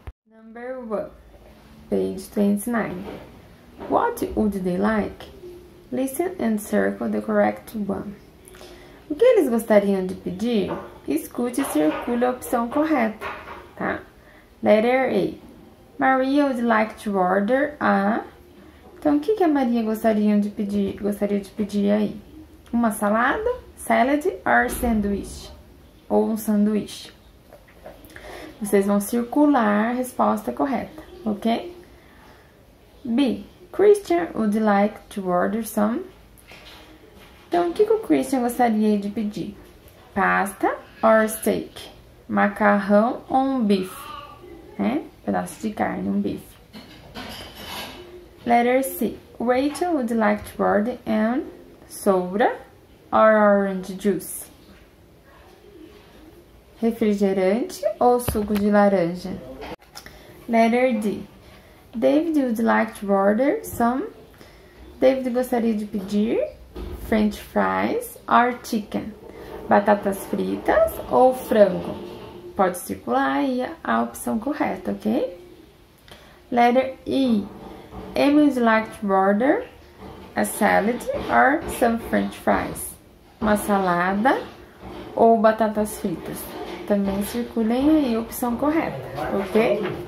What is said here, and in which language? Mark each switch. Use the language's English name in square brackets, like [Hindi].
[English] Number 1, page 29. What would they like? Listen and circle the correct one. [Portuguese] O que eles gostariam de pedir? Escute e circule a opção correta, tá? [English] Letter A. Maria would like to order a... [Portuguese] Então, o que a Maria gostaria de pedir aí? Uma salada, [English] salad or sandwich? [Portuguese] Ou um sanduíche? Vocês vão circular a resposta correta, ok? [English] B. Christian would like to order some... [Portuguese] Então, o que o Christian gostaria de pedir? [English] Pasta or steak? [Portuguese] Macarrão ou um bife? Né? Pedaço de carne, um bife. [English] Letter C. Rachel would like to order an soda or orange juice? [Portuguese] Refrigerante ou suco de laranja? [English] Letter D. David would like to order some... David [Portuguese] gostaria de pedir... [English] French fries or chicken? [Portuguese] Batatas fritas ou frango? Pode circular aí a opção correta, ok? [English] Letter E. Amy would like to order a salad or some French fries? [Portuguese] Uma salada ou batatas fritas? Também circulem aí a opção correta, ok?